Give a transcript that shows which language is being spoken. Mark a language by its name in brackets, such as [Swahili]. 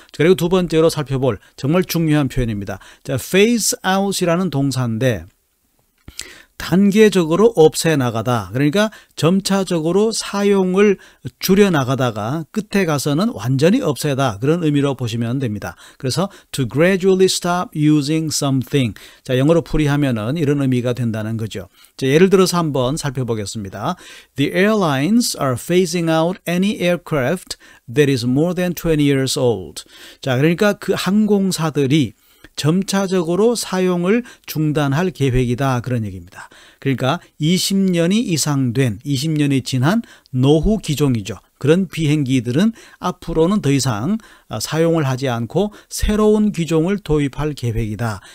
[Korean] 그리고 두 번째로 살펴볼 정말 중요한 표현입니다. 자, [English] phase out [Korean] 이라는 동사인데 단계적으로 없애나가다, 그러니까 점차적으로 사용을 줄여나가다가 끝에 가서는 완전히 없애다 그런 의미로 보시면 됩니다. [English] 그래서 to gradually stop using something. [Korean] 자, 영어로 풀이하면은 이런 의미가 된다는 거죠. 자, 예를 들어서 한번 살펴보겠습니다. [English] The airlines are phasing out any aircraft that is more than 20 years old. [Korean] 자, 그러니까 그 항공사들이 점차적으로 사용을 중단할 계획이다 그런 얘기입니다. 그러니까 20년이 지난 노후 기종이죠. 그런 비행기들은 앞으로는 더 이상 사용을 하지 않고 새로운 기종을 도입할 계획이다.